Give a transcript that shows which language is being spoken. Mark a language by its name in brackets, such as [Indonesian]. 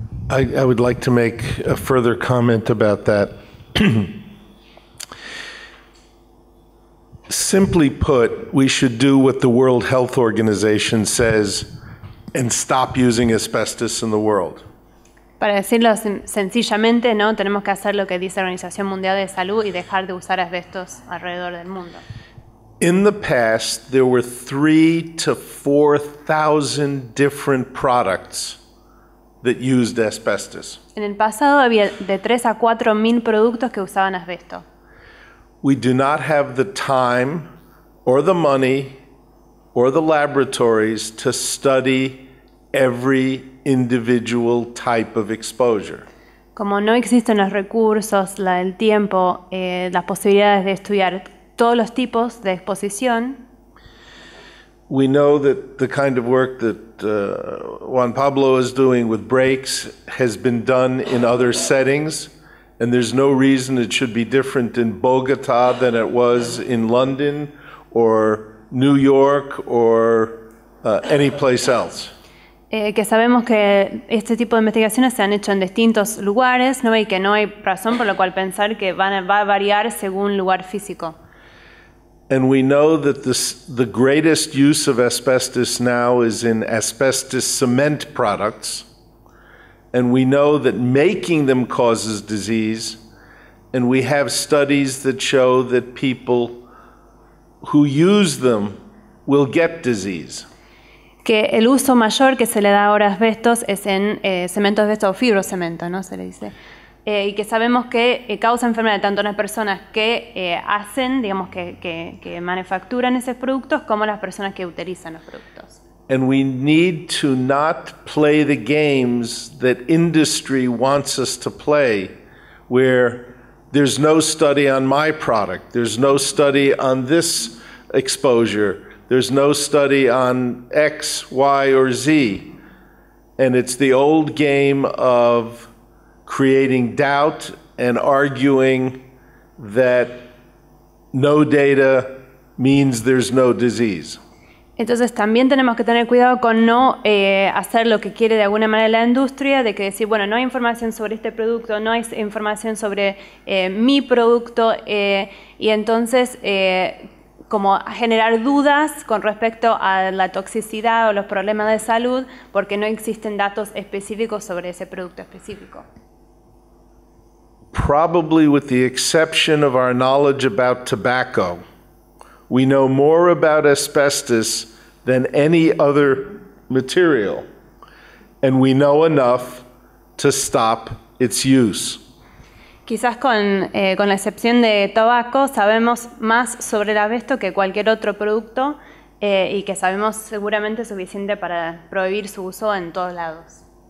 [English] I would like to make a further comment about that. Simply put, we should do what the World Health Organization says and stop using asbestos in the world. [Spanish] Para decirlo sencillamente, ¿no? Tenemos que hacer lo que dice la Organización Mundial de Salud y dejar de usar asbestos alrededor del mundo. [English] In the past, there were 3,000 to 4,000 different products that used asbestos. [Spanish] En el pasado había de 3,000 to 4,000 productos que usaban asbesto. [English] We do not have the time or the money or the laboratories to study every individual type of exposure. [Spanish] Como no existen los recursos, el tiempo, las posibilidades de estudiar todos los tipos de exposición. [English] We know that the kind of work that Juan Pablo is doing with breaks has been done in other settings, and there's no reason it should be different in Bogota than it was in London or New York or any place else. [Spanish] Que sabemos que este tipo de investigaciones se han hecho en distintos lugares, ¿no? Y que no hay razón por la cual pensar que va a variar según lugar físico. [English] And we know that the greatest use of asbestos now is in asbestos cement products. And we know that making them causes disease. And we have studies that show that people who use them will get disease. [Spanish] Que el uso mayor que se le da ahora a asbestos es en cemento asbesto o fibrocemento, ¿no? Se le dice. Y que sabemos que causa enfermedad tanto en las personas que hacen, digamos, que manufacturan esos productos, como las personas que utilizan los productos. [English] And we need to not play the games that industry wants us to play, where there's no study on my product, there's no study on this exposure, there's no study on X, Y, or Z. And it's the old game of creating doubt and arguing that no data means there's no disease. [Spanish] Entonces también tenemos que tener cuidado con no hacer lo que quiere de alguna manera la industria, de que decir, bueno, no hay información sobre este producto, no hay información sobre mi producto, y entonces como generar dudas con respecto a la toxicidad o los problemas de salud, porque no existen datos específicos sobre ese producto específico. [English] Probably with the exception of our knowledge about tobacco, we know more about asbestos than any other material, and we know enough to stop its use. [Spanish] Quizás con la excepción de tabaco, sabemos más sobre el asbesto que cualquier otro producto, y que sabemos seguramente suficiente para prohibir su uso en todos lados.